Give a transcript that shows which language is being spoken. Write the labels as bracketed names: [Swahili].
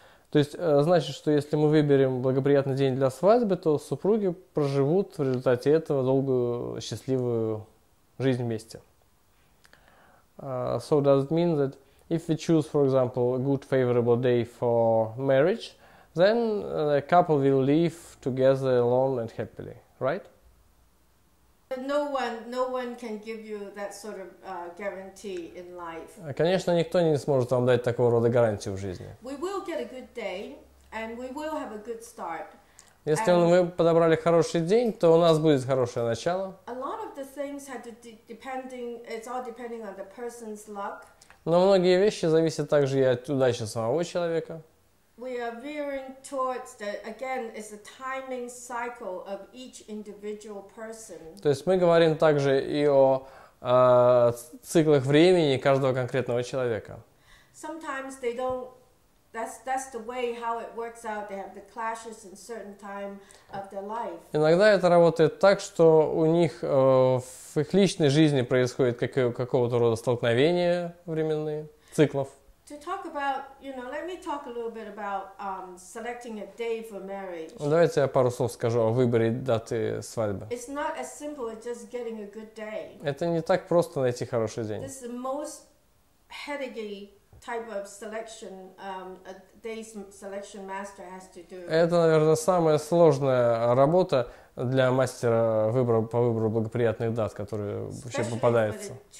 [Russian] То есть значит, что если мы выберем благоприятный день для свадьбы, то супруги проживут в результате этого долгую счастливую жизнь вместе. [English] So does it mean that if we choose, for example, a good favorable day for marriage, then the couple will live together alone and happily, right? No one can give you that sort of guarantee in life. [Russian] Конечно, никто не сможет вам дать такого рода гарантию в жизни. [English] We will get a good day, and we will have a good start. [Russian] Если мы подобрали хороший день, то у нас будет хорошее начало. [English] A lot of the things have to it's all depending on the person's luck. [Russian] Но многие вещи зависят также и от удачи самого человека. [English] We are veering towards the again is the timing cycle of each individual person. [Russian] То есть мы говорим также и о циклах времени каждого конкретного человека. [English] Sometimes they don't that's the way how it works out. They have the clashes in certain time of their life. [Russian] Иногда это работает так, что у них в их личной жизни происходит какого-то рода столкновения временные, циклов. [English] to talk about, you know, let me talk a little bit about selecting a day for marriage. [Russian] Ну, давайте я пару слов скажу о выборе даты свадьбы. [English] It's not as simple as just getting a good day. [Russian] Это не так просто найти хороший день. [English] This is the most headache type of selection a day's selection master has to do. [Russian] Это, наверное, самая сложная работа для мастера выбора по выбору благоприятных дат, которые вообще попадаются.